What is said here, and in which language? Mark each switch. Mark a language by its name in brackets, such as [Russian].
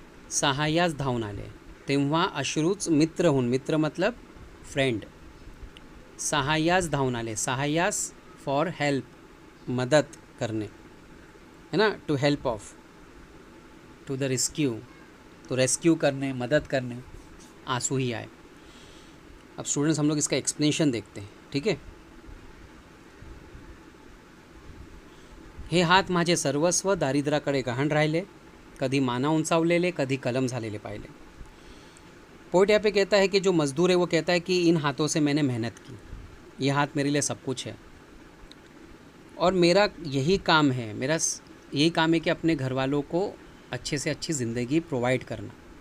[Marathi] सहाय्यास धावून आले, तेव्हा अश्रूच मित्र होऊन, मित्र मतलब फ्रेंड, सहाय्यास धावून आले, सहाय्यास फॉर हेल्प, मदत करणे है ना, [English] to help of, to the rescue, [Hindi] तो रेस्क्यू करने, मदद करने, आंसू ही आए। अब स्टूडेंट्स हम लोग इसका एक्सप्लेनेशन देखते हैं, ठीक है। [Marathi] हे हाथ माझे सर्वस्व, दारिद्र्याकडे गहाण राहिले, कधी माना उंचावलेले, कधी कलम झालेले पाहिले। [Hindi] पोइट यहाँ पे कहता है कि जो मजदूर है वो कहता है कि इन हाथों से मैंने मेहनत की, ये हाथ मेरे लिए सब कुछ है, और मेरा यही काम है, मेरा यही काम है कि अपने घर वालों को अच्छे से अच्छी ज़िंदगी प्रोवाइड करना।